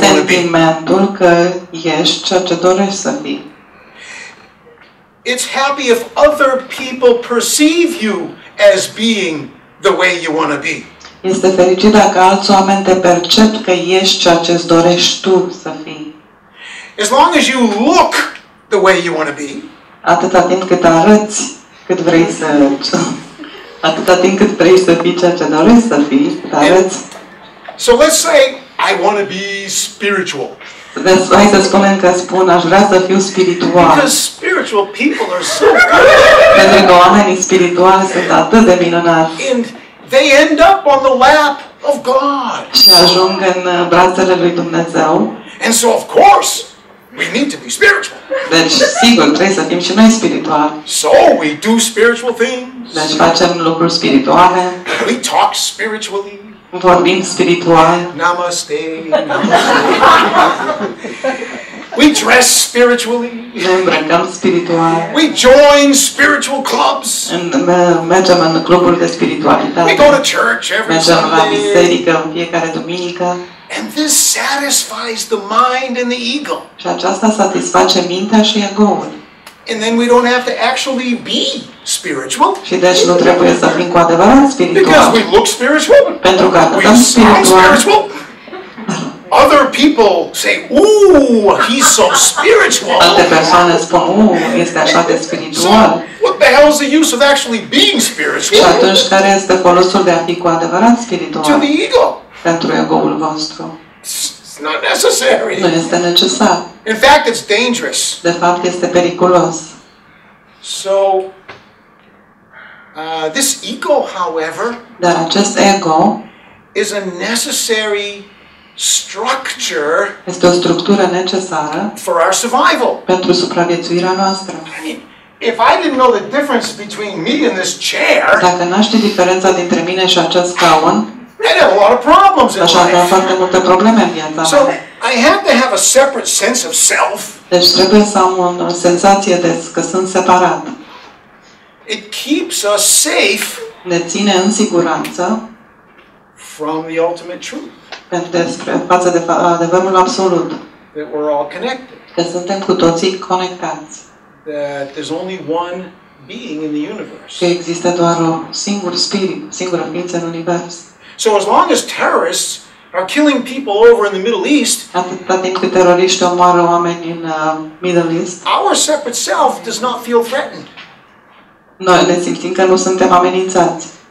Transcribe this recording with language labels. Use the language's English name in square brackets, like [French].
[Romanian] Îți dă sentimentul că ești ceea ce dorești să fii. [English] It's happy if other people perceive you as being the way you want to be. [Romanian] Este fericit dacă alți oameni te percep că ești ceea ce îți dorești tu să fii. [English] As long as you look the way you want to be. [Romanian] Atâta timp cât arăți cât vrei să arăți. Atâta timp cât vrei să fii ceea ce dorești să fii, cât arăți. [English] So let's say I want to be spiritual. [Romanian] Deci, hai să spunem că aș vrea să fiu spiritual. [English] Because spirit, spiritual people are so good. [Romanian] Pentru că oamenii spirituali sunt atât de minunați. [English] And they end up on the lap of God. [Romanian] Și ajung în brațele lui Dumnezeu. [English] And so of course we need to be spiritual. [Romanian] Deci, sigur, trebuie să fim și noi spirituali. [English] So we do spiritual things. [Romanian] Deci facem lucruri spirituale. [English] We talk spiritually. [Romanian] Vorbim spiritual. [English] Namaste, namaste. We dress spiritually. [Romanian] Ne îmbrăcăm spiritual. [English] We join spiritual clubs. [Romanian] Mergem în cluburi de spiritualitate. [English] We go to church every Sunday. [Romanian] Mergem la biserică în fiecare duminică. [English] And this satisfies the mind and the ego. [Romanian] Și aceasta satisface mintea și ego-ul. [English] And then we don't have to actually be spiritual. [Romanian] Și deci nu trebuie să fim cu adevărat spiritual. [English] Because we look spiritual. [Romanian] Pentru că arătăm spiritual. [English] Other people say, "Ooh, he's so spiritual." [Romanian] Alte persoane spun, "Ooh, este așa de spiritual." [English] So, what the hell is the use of actually being spiritual? [Romanian] Și atunci care este folosul de a fi cu adevărat spiritual? [English] To the ego. [Romanian] Pentru ego-ul vostru. [English] Not necessary. [Romanian] Nu este necesar. [English] In fact, it's dangerous. [Romanian] De fapt, este periculos. [English] So, this ego, however, [Romanian] dar acest ego [English] is a necessary structure. [Romanian] Este o structură necesară [English] for our survival. [Romanian] Pentru supraviețuirea noastră. [English] If I didn't know the difference between me and this chair, [Romanian] dacă n-aș ști diferența dintre mine și acest scaun, [English] I'd have a lot of problems in life. [Romanian] Așa că am foarte multe probleme în viața. [English] So I have to have a separate sense of self. [Romanian] Deci trebuie să am o senzație de că sunt separat. [English] It keeps us safe. [Romanian] Ne ține în siguranță. [English] From the ultimate truth. [Romanian] Despre față de adevărul absolut. [English] That we're all connected. [Romanian] Că suntem cu toții conectați. [English] That there's only one being in the universe. [Romanian] Că există doar un singur spirit, singură ființă în univers. [English] So as long as terrorists are killing people over in the Middle East, [Romanian] atâta timp cât teroriști omoară oameni în Middle East, [English] our separate self does not feel threatened. [Romanian] Noi ne simțim că nu suntem amenințați.